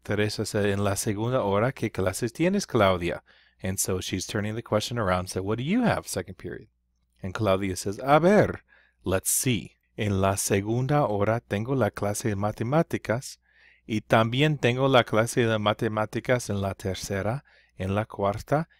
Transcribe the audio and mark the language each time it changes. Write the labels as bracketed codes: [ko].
[en] Teresa said, [es] En la segunda hora, ¿qué clases tienes, Claudia? [en] And so she's turning the question around, said, What do you have second period? And Claudia says, [es] A ver, [en] let's see. [es] En la segunda hora tengo la clase de matemáticas y también tengo la clase de matemáticas en la tercera, en la cuarta.